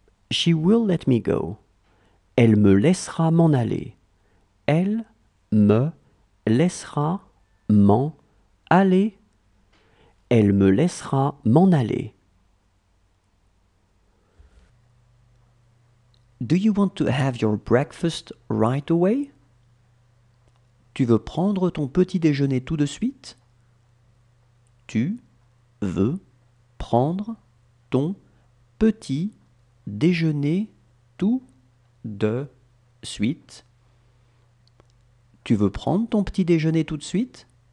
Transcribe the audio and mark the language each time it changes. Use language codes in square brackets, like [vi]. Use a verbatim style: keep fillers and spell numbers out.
[en] She will let me go. [fr] Elle me laissera m'en aller. Elle me laissera m'en aller. Elle me laissera m'en aller. [en] Do you want to have your breakfast right away? [fr] Tu veux prendre ton petit déjeuner tout de suite? Tu veux prendre ton petit déjeuner tout de suite. Tu veux prendre ton petit déjeuner tout de suite?